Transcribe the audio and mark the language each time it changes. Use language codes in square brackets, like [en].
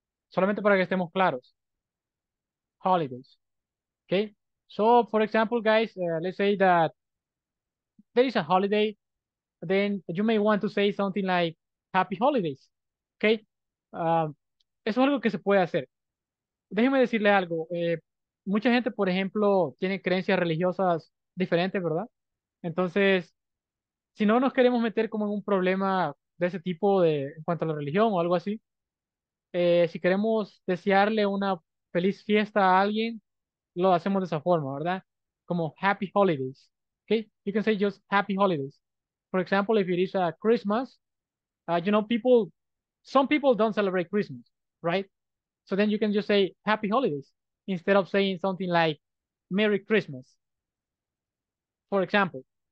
[es] Solamente para que estemos claros. Holidays. Okay. [en] So, for example, guys, let's say that there is a holiday. Then you may want to say something like, happy holidays. Okay. [es] Eso es algo que se puede hacer. Déjeme decirle algo. Mucha gente, por ejemplo, tiene creencias religiosas diferentes, ¿verdad? Entonces, si no nos queremos meter como en un problema de ese tipo de, en cuanto a la religión o algo así, si queremos desearle una feliz fiesta a alguien, lo hacemos de esa forma, ¿verdad? [en] Como happy holidays. Okay? You can say just happy holidays. For example, if it is a Christmas, you know, people, some people don't celebrate Christmas, right? So then you can just say happy holidays instead of saying something like Merry Christmas, for example.